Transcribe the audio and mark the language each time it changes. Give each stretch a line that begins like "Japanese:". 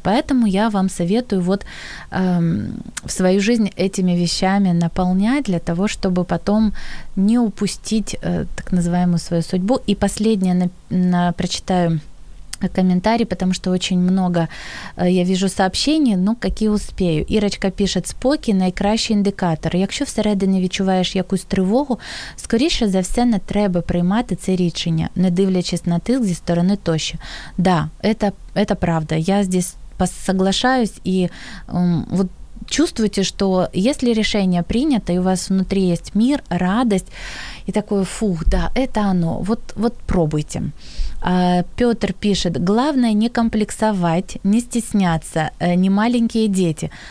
Russian: Поэтому я вам советую вот в свою жизнь этими вещами наполнять для того, чтобы потом не упустить так называемую свою судьбу. И последнее прочитаю комментарий, потому что очень много я вижу сообщений, ну, какие успею.
Ukrainian: Ірочка пише, спокій – найкращий індикатор. Якщо всередині відчуваєш якусь тривогу, скоріше за все не треба приймати це рішення, не дивлячись на тиск зі сторони тощо.
Russian: Да, это правда. Я здесь соглашаюсь и вот чувствуете, что если решение принято, и у вас внутри есть мир, радость, и такое, фух, да, это оно, вот пробуйте. Пётр пишет, главное не комплексовать, не стесняться, не маленькие дети.